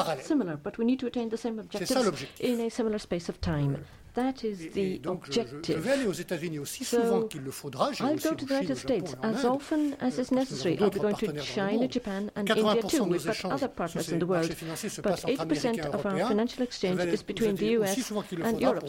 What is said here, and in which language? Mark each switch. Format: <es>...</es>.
<en>similar, but we need to attain the same objectives in a similar space of time. That is the objective.</en> <fr>Je vais aller aux États-Unis aussi souvent qu'il le faudra.</fr> <en>I'll go to the United States as often as is necessary. I'll be going to China, Japan, and India too. We've got other partners in the world. But 80% of our financial exchange is between the US and Europe.</en>